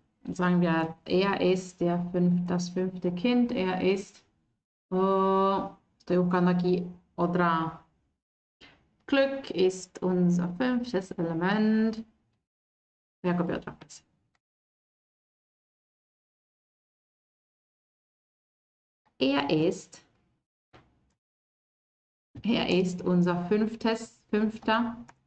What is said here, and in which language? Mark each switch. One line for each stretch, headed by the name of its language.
German: Sagen wir, er ist das fünfte Kind. Er ist.
Spanish: Oh, estoy buscando aquí otra.
German: Glück ist unser fünftes Element.
Spanish: Voy a copiar otra vez.
German: Er ist unser fünfter.